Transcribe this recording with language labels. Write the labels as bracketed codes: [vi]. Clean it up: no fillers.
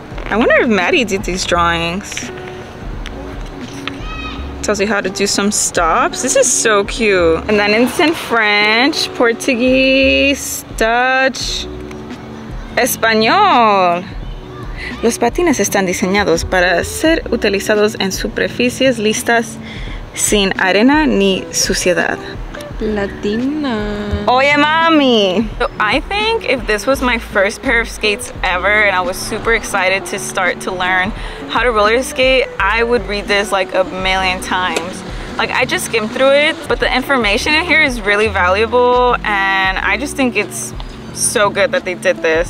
[en] I wonder if Maddie did these drawings. Tells you how to do some stops. This is so cute. And then it's in French, Portuguese, Dutch, Espanol. [es] Los patines están diseñados para ser utilizados en superficies listas sin arena ni suciedad. Latina. Oye, mami. [en] So I think if this was my first pair of skates ever and I was super excited to start to learn how to roller skate, I would read this like a million times. Like, I just skimmed through it, but the information in here is really valuable and I just think it's so good that they did this.